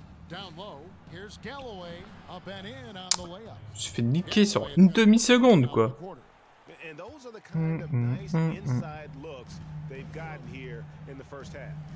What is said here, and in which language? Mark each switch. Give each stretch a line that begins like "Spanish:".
English: Down low, here's Galloway, up and in on the layup.
French: Je suis fait niquer sur une demi-seconde, quoi.
English: And those are the kind of nice inside looks they've gotten here in the first half.